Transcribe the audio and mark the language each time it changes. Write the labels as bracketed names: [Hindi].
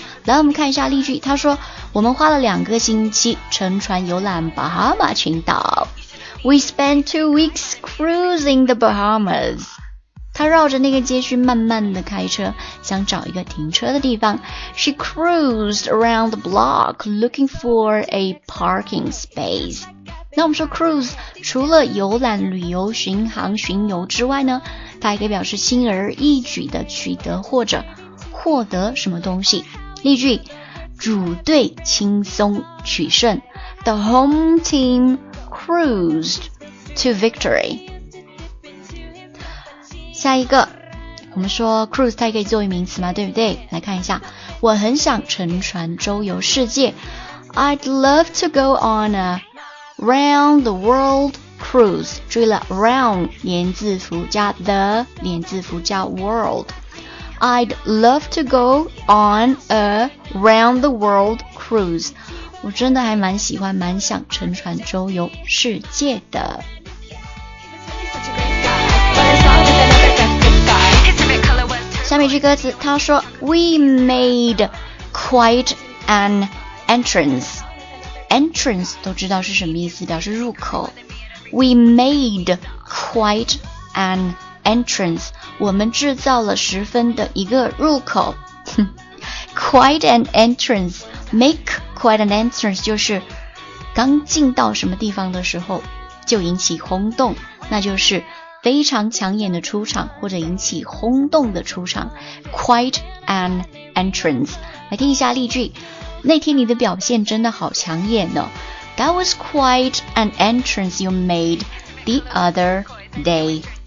[Chinese] 来，我们看一下例句，他说我们花了两个星期乘船游览巴哈马群岛。 [English] We spent 2 weeks cruising the Bahamas. [Chinese] 他绕着那个街区慢慢的开车，想找一个停车的地方。 [English] She cruised around the block looking for a parking space. [Chinese] 那我们说 cruise 除了游览、旅游、巡航、巡游之外呢，它还可以表示轻而易举的取得或者获得什么东西。例句，主队轻松取胜。 [English] The home team. Cruised to victory. [Chinese] 下一个，我们说 cruise 它也可以作为名词嘛，对不对？来看一下，我很想乘船周游世界。 [English] I'd love to go on a round the world cruise. [Chinese] 注意了 ，round 连字符加 the 连字符加 world， [English] I'd love to go on a round the world cruise. [Chinese] 我真的还蛮喜欢，蛮想乘船周游世界的。下面这歌词，他说 [English] We made quite an entrance. [Chinese] Entrance 都知道是什么意思，表示入口。 [English] We made quite an entrance. [Chinese] 我们制造了十分的一个入口。 [English] Quite an entrance. Make quite an entrance [Chinese] 就是刚进到什么地方的时候就引起轰动，那就是非常抢眼的出场或者引起轰动的出场。 [English] Quite an entrance. [Chinese] 来听一下例句。那天你的表现真的好抢眼哦。 [English] That was quite an entrance you made the other day.